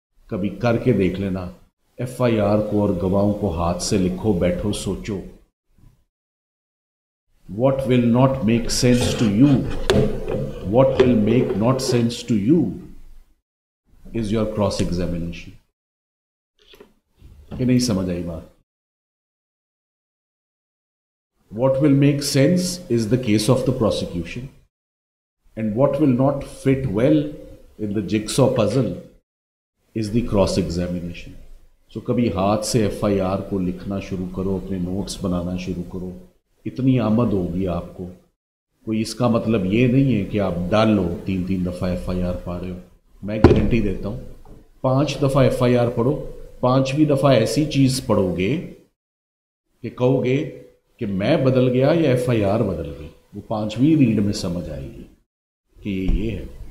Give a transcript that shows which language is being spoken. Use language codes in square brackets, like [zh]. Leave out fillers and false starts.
[ur] کبھی کر کے دیکھ لینا, ایف آئی آر کو اور گواہوں کو ہاتھ سے لکھو, بیٹھو, سوچو. [en] What will not make sense to you, what will make not sense to you is your cross examination. [ur] یہ نہیں سمجھ آئی بات؟ [en] What will make sense is the case of the prosecution, and what will not fit well in the jigsaw of puzzle is the cross examination. [ur] تو کبھی ہاتھ سے F I R کو لکھنا شروع کرو, اپنے نوٹس بنانا شروع کرو, اتنی آمد ہوگی آپ کو. کوئی اس کا مطلب یہ نہیں ہے کہ آپ ڈال لو تین تین دفعہ ایف آئی آر پا رہے ہو, मैं गारंटी देता हूँ, 5 दफ़ा FIR पढ़ो, 5वीं दफ़ा ऐसी चीज़ पढ़ोगे कि कहोगे कि मैं बदल गया या FIR बदल गई, वो 5वीं रीड में समझ आएगी कि ये है।